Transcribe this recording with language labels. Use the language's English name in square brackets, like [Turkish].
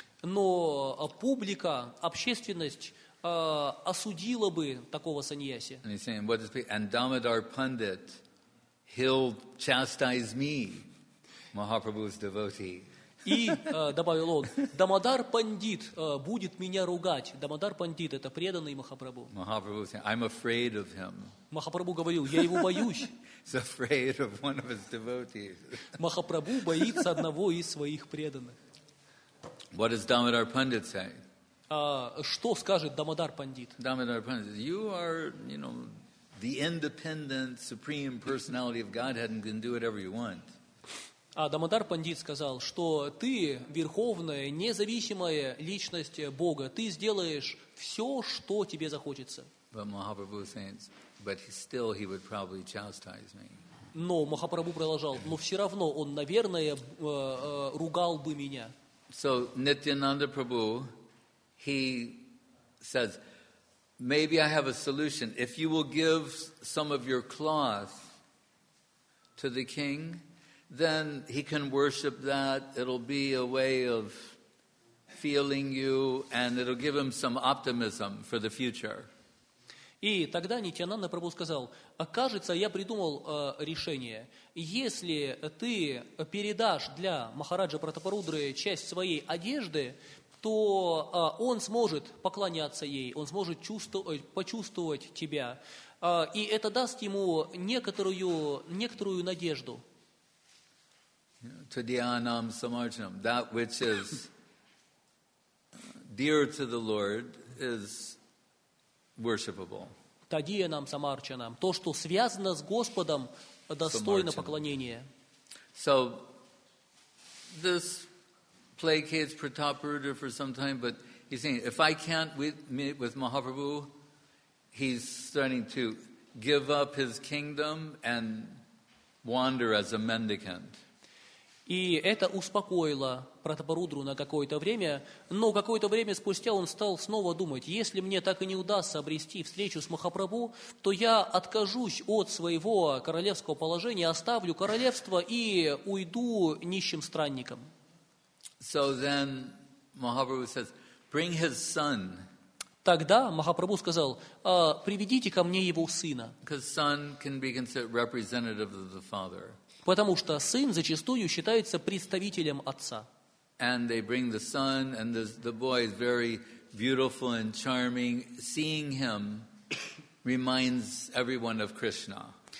[Russian] Но публика, общественность осудила бы такого саньяси. [English] И Дамодар Пандит, he'll chastise me, Mahaprabhu's devotee. [Russian] И добавил он, Дамодар Пандит будет меня ругать. Дамодар Пандит – это преданный Махапрабху. [English] Махапрабху saying, I'm afraid of him. [Russian] Махапрабху говорил, я его боюсь. [English] He's afraid of one of his devotees. [Russian] Махапрабху боится одного из своих преданных. [English] What does Дамодар Пандит say? [Russian] Что скажет Дамодар Пандит? [English] Дамодар Пандит says, you are, you know, the independent supreme personality of Godhead and can do whatever you want. [Russian] А Дамодар Пандит сказал, что ты верховная, независимая личность Бога. Ты сделаешь все, что тебе захочется. [English] But Mahaprabhu says, but still he would probably chastise me. [Russian] Но Махапрабху продолжал, но все равно он, наверное, ругал бы меня. [English] So Nityananda Prabhu, he says, maybe I have a solution. If you will give some of your cloth to the king, then he can worship that. It'll be a way of feeling you, and it'll give him some optimism for the future. [Russian] И тогда Нитьянанда Прабху сказал, кажется, я придумал решение. Если ты передашь для Махараджа Пратапарудры часть своей одежды, то он сможет поклоняться ей, он сможет почувствовать тебя. И это даст ему некоторую надежду. [Sanskrit] Tadiyanam samarjanam. [English] That which is dear to the Lord is worshipable. [Sanskrit] Tadiyanam samarjanam. [Russian] То, что связано с Господом, достойно поклонения. [English] So, this placates Prataparudra for some time, but he's saying, if I can't meet with Mahaprabhu, he's starting to give up his kingdom and wander as a mendicant. [Russian] И это успокоило Пратапарудру на какое-то время, но какое-то время спустя он стал снова думать, если мне так и не удастся обрести встречу с Махапрабху, то я откажусь от своего королевского положения, оставлю королевство и уйду нищим странником. [English] So then Mahaprabhu says, bring his son. [Russian] Тогда Махапрабху сказал, приведите ко мне его сына. [English] Because son can be considered representative of the father. [Russian] Потому что сын зачастую считается представителем отца. [English] And they bring the son, and the boy is very beautiful and charming. Seeing him reminds everyone of Krishna.